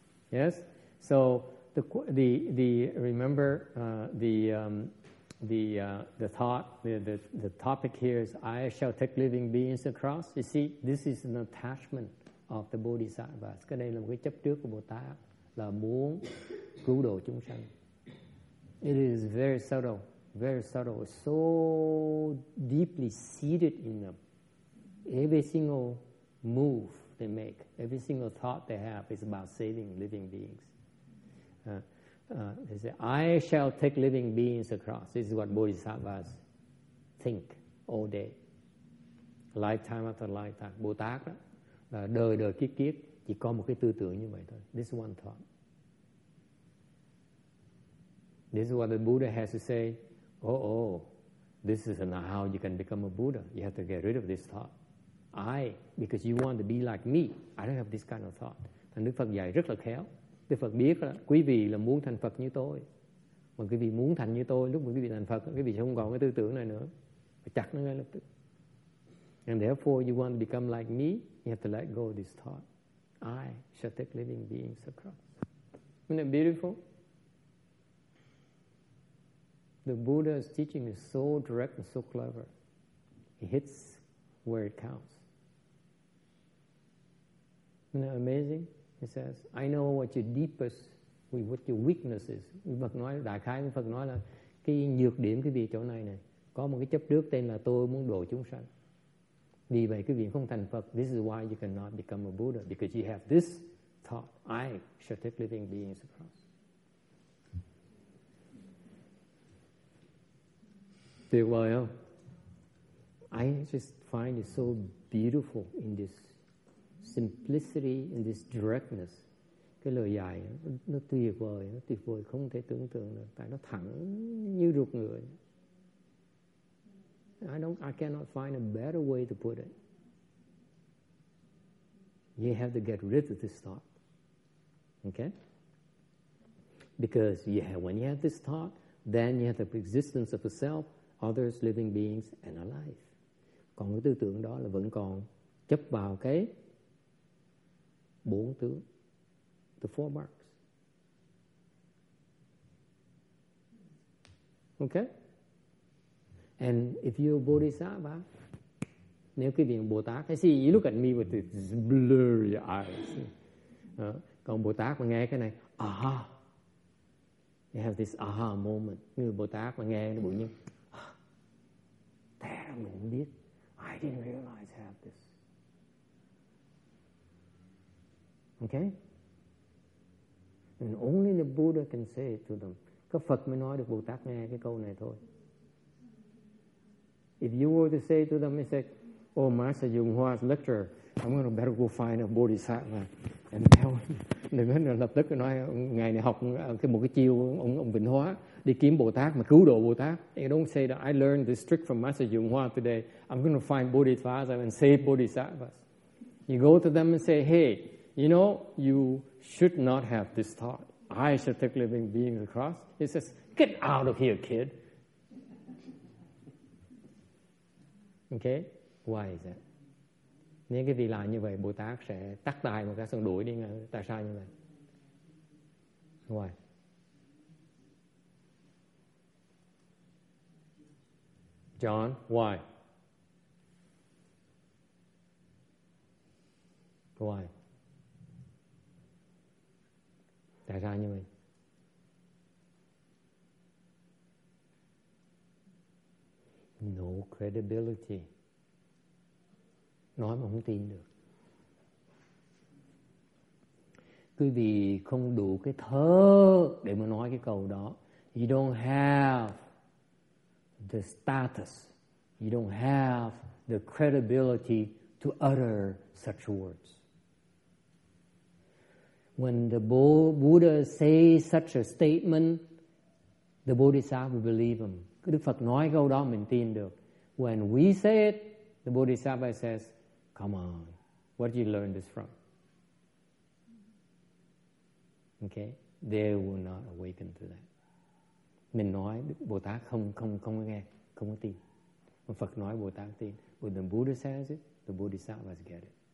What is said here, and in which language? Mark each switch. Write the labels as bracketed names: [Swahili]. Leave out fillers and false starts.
[English] Yes. So the remember the thought the topic here is I shall take living beings across. You see, this is an attachment of the Bodhisattva. [Vietnamese] Cái đây là một cái chấp trước của Bồ Tát là muốn cứu độ chúng sanh. [English] It is very subtle, very subtle. So deeply seated in them. Every single move they make, every single thought they have is about saving living beings. They say, I shall take living beings across. This is what Bodhisattvas think all day. Lifetime after lifetime. [Vietnamese] Bồ Tát đó, là đời đời kiếp kiếp, chỉ có một cái tư tưởng như vậy thôi. [English] This one thought. This is what the Buddha has to say. Oh, this is not how you can become a Buddha. You have to get rid of this thought. Because you want to be like me, I don't have this kind of thought. [Vietnamese] Thành Đức Phật dạy rất là khéo. Đức Phật biết là quý vị là muốn thành Phật như tôi. Mà quý vị muốn thành như tôi, lúc mà quý vị thành Phật, quý vị sẽ không còn cái tư tưởng này nữa. Phải chặt nó ngay lập tức. [English] And therefore, you want to become like me, you have to let go of this thought. I shall take living beings across. Isn't it beautiful? The Buddha's teaching is so direct and so clever. It hits where it counts. Isn't that amazing? He says, I know what your deepest, what your weakness is. [Vietnamese] Phật nói, Đại Khai Phật nói là cái nhược điểm cái vị chỗ này này, có một cái chấp trước tên là tôi muốn độ chúng sanh. Vì vậy cái vị không thành Phật, [English] this is why you cannot become a Buddha, because you have this thought, I shall take living beings across. [Vietnamese] Tuyệt vời không? [English] I just find it so beautiful in this simplicity, in this directness. [Vietnamese] Cái lời dạy nó tuyệt vời, nó tuyệt vời không thể tưởng tượng được, tại nó thẳng như ruột ngựa. [English] I cannot find a better way to put it. You have to get rid of this thought. Okay? Because you have, when you have this thought, then you have the existence of a self, others, living beings, and alive. [Vietnamese] Còn cái tư tưởng đó là vẫn còn chấp vào cái bốn tướng, [English] the four marks. Okay? And if you're a Bodhisattva, [Vietnamese] nếu cái viện Bồ Tát, [English] I see you look at me with these blurry eyes. [Vietnamese] Còn Bồ Tát mà nghe cái này, aha. [English] You have this aha moment. [Vietnamese] Người Bồ Tát mà nghe nó bụi như, thế là mình không biết. [English] I didn't realize I have this. Okay? And only the Buddha can say it to them. [Vietnamese] Có Phật mới nói được Bồ Tát nghe cái câu này thôi. [English] If you were to say to them, they say, oh, Master Yung Hua's lecture, I'm going to better go find a Bodhisattva and tell him. [Vietnamese] Đừng có lập tức nói, ngày này học cái một cái chiêu ông Vịnh Hóa, đi kiếm Bồ Tát mà cứu độ Bồ Tát. [English] And you don't say that I learned this trick from Master Yung Hua today. I'm going to find Bodhisattva and save Bodhisattvas. You go to them and say, hey, you know, you should not have this thought. I should take living beings across. He says, get out of here, kid. Okay, why is that? [Vietnamese] Nếu cái vị là như vậy, Bồ Tát sẽ tắt tay một cái xong đuổi đi ngay. Tại sao như vậy? [English] Why? John, why? Why? [Vietnamese] Tại sao như vậy? [English] No credibility. [Vietnamese] Nói mà không tin được. Quý vị không đủ cái thớ để mà nói cái câu đó. [English] You don't have the status. You don't have the credibility to utter such words. When the Buddha says such a statement, the Bodhisattva believe him. [Vietnamese] Đức Phật nói câu đó mình tin được. [English] When we say it, the Bodhisattva says, come on, where did you learn this from? Okay, they will not awaken to that. [Vietnamese] Mình nói Bồ Tát không nghe, không có tin. Mà Phật nói Bồ Tát tin. [English] When the Buddha says it, the Bodhisattvas get it.